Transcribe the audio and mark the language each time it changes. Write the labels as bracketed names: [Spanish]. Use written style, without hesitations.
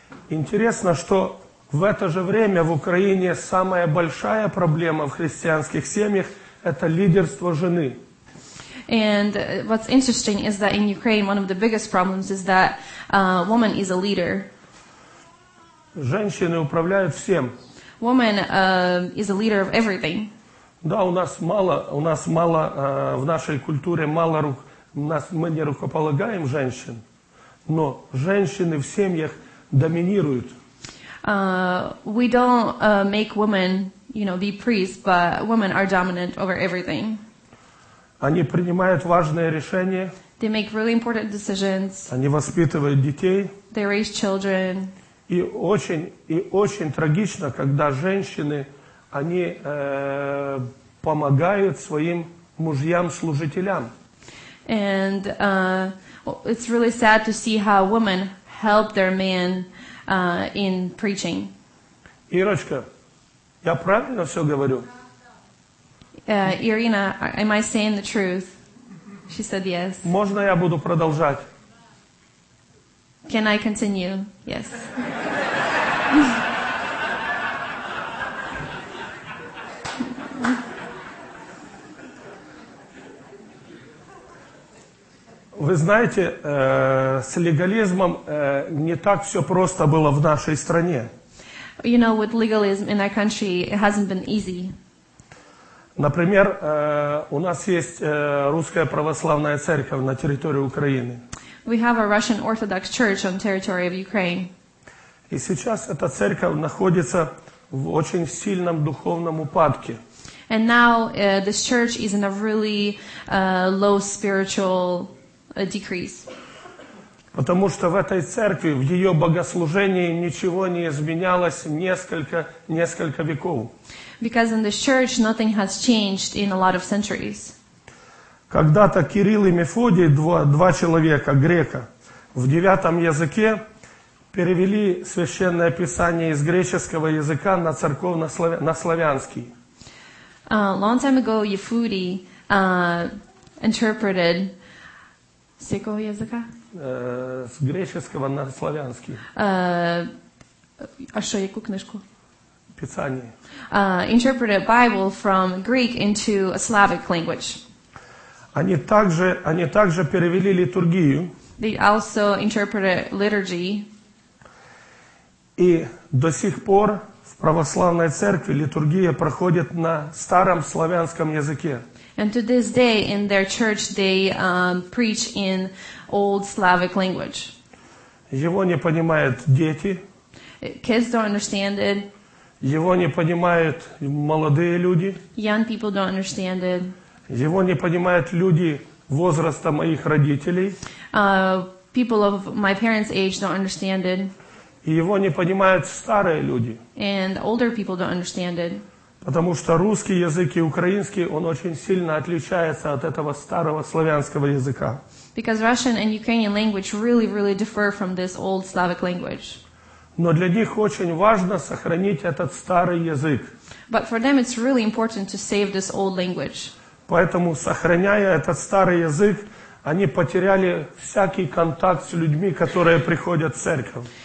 [Russian] Интересно, что в это же время в Украине самая большая проблема в христианских семьях это лидерство жены. [English] And what's interesting is that in Ukraine one of the biggest problems is that woman is a leader. [Russian] Женщины управляют всем. [English] Woman is a leader of everything. [Russian] Да, у нас мало в нашей культуре мало рук, мы не рукополагаем женщин, но женщины в семьях доминируют. [English] We don't make women, you know, be priests, but women are dominant over everything. [Russian] Они принимают важные решения. [English] They make really important decisions. [Russian] Они воспитывают детей. [English] They raise children. [Russian] И очень трагично, когда женщины, они помогают своим мужьям-служителям. [English] And it's really sad to see how women help their men in preaching. [Russian] Ирочка, я правильно все говорю? [English] Ирина, am I saying the truth? She said yes. [Russian] Можно я буду продолжать? [English] Can I continue? Yes. [Russian] Вы знаете, с легализмом не так все просто было в нашей стране. [English] You know, with legalism in our country, it hasn't been easy. [Russian] Например, у нас есть Русская Православная Церковь на территории Украины. [English] We have a Russian Orthodox Church on territory of Ukraine. [Russian] И сейчас эта церковь находится в очень сильном духовном упадке. [English] And now this church is in a really low spiritual decrease. [Russian] Потому что в этой церкви, в ее богослужении ничего не изменялось несколько веков. [English] Because in this church nothing has changed in a lot of centuries. [Russian] Когда-то Кирилл и Мефодий, два человека, грека, в девятом языке перевели священное писание из греческого языка на славянский. [English] Long time ago, Ефудий interpreted [Russian] с какого языка? С греческого на славянский. А что, какую книжку? Писание. [English] Interpreted Bible from Greek into a Slavic language. [Russian] Они также перевели литургию. [English] They also interpreted liturgy. [Russian] И до сих пор в православной церкви литургия проходит на старом славянском языке. [English] And to this day, in their church, they preach in old Slavic language. [Russian] Его не понимают дети. [English] Kids don't understand it. [Russian] Его не понимают молодые люди. [English] Young people don't understand it. [Russian] Его не понимают люди возраста моих родителей. [English] People of my parents' age don't understand it. [Russian] И его не понимают старые люди. [English] And older people don't understand it. [Russian] Потому что русский язык и украинский, он очень сильно отличается от этого старого славянского языка. [English] Because Russian and Ukrainian language really, really differ from this old Slavic language. [Russian] Но для них очень важно сохранить этот старый язык. [English] But for them it's really important to save this old language. [Russian] Поэтому, сохраняя этот старый язык, они потеряли всякий контакт с людьми, которые приходят в церковь.